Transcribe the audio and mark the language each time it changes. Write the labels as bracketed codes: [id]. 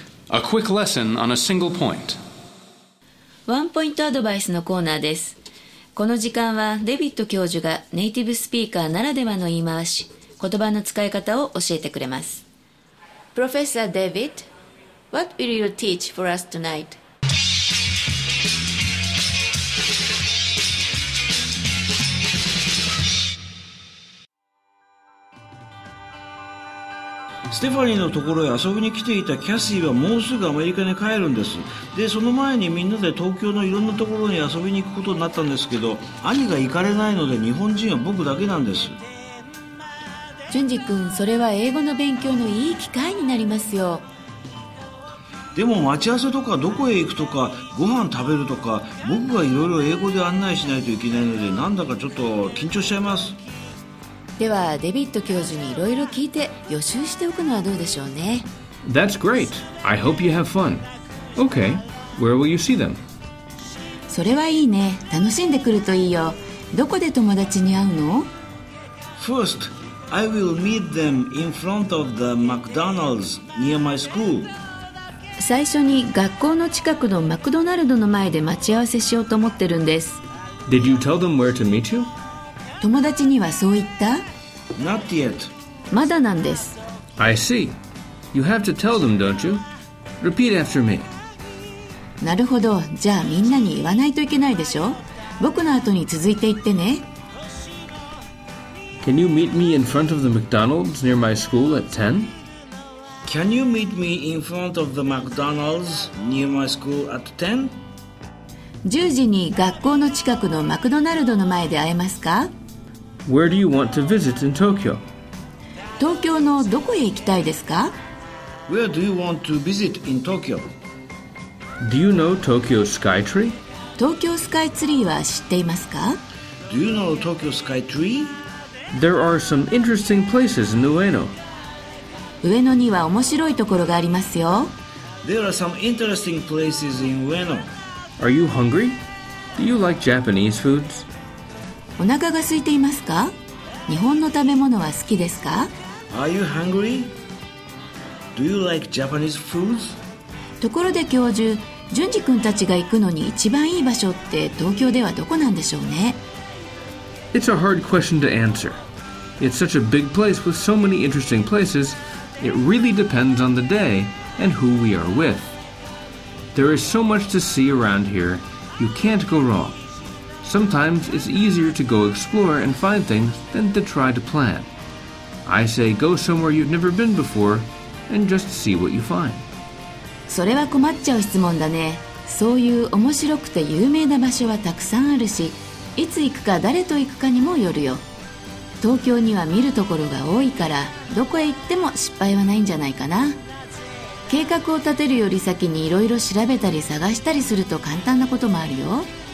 [en] A quick lesson on a single point. [ja] ワンポイントアドバイスのコーナーです。この時間はデビッド教授がネイティブスピーカーならではの言い回し、言葉の使い方を教えてくれます。 [en] Professor David, what will you teach for us tonight? [ja] ステファニーのところへ遊びに来ていたキャシーはもうすぐアメリカに帰るんです。で、その前にみんなで東京のいろんなところに遊びに行くことになったんですけど、兄が行かれないので日本人は僕だけなんです。ジュンジ君、それは英語の勉強のいい機会になりますよ。でも待ち合わせとかどこへ行くとかご飯食べるとか、僕がいろいろ英語で案内しないといけないので、なんだかちょっと緊張しちゃいます。ではデビッド教授にいろいろ聞いて予習しておくのはどうでしょうね。 [en] That's great. I hope you have fun. Okay. Where will you see them? [ja] それはいいね。楽しんでくるといいよ。どこで友達に会うの？ [en] First, I will meet them in front of the McDonald's near my school. [ja] 最初に学校の近くのマクドナルドの前で待ち合わせしようと思ってるんです。 [en] Did you tell them where to meet you? [ja] 友達にはそう言った? [en] Not yet. [ja] まだなんです。 [en] I see. You have to tell them, don't you? Repeat after me. [ja] なるほど。じゃあみんなに言わないといけないでしょ。僕の後に続いて言ってね。 [en] Can you meet me in front of the McDonald's near my school at 10? Can you meet me in front of the McDonald's near my school at 10? [ja] 10時に学校の近くのマクドナルドの前で会えますか? [en] Where do you want to visit in Tokyo? [ja] 東京のどこへ行きたいですか? [en] Where do you want to visit in Tokyo? Do you know Tokyo Sky Tree? [ja] 東京スカイツリーは知っていますか? [en] Do you know Tokyo Sky Tree? There are some interesting places in Ueno. [ja] 上野には面白いところがありますよ。 [en] There are some interesting places in Ueno. Are you hungry? Do you like Japanese foods? [ja] お腹が空いていますか？日本の食べ物は好きですか？ [en] Are you hungry? Do you like Japanese foods? [ja] ところで教授、順次君たちが行くのに一番いい場所って東京ではどこなんでしょうね？ [en] It's a hard question to answer. It's such a big place with so many interesting places, it really depends on the day and who we are with. There is so much to see around here, you can't go wrong. Sometimes it's easier to go explore and find things than to try to plan. I say go somewhere you've never been before and just see what you find. [ja] それは困っちゃう質問だね。そういう面白くて有名な場所はたくさんあるし、いつ行くか誰と行くかにもよるよ。東京には見るところが多いから、どこへ行っても失敗はないんじゃないかな。計画を立てるより先にいろいろ調べたり探したりすると簡単なこともあるよ。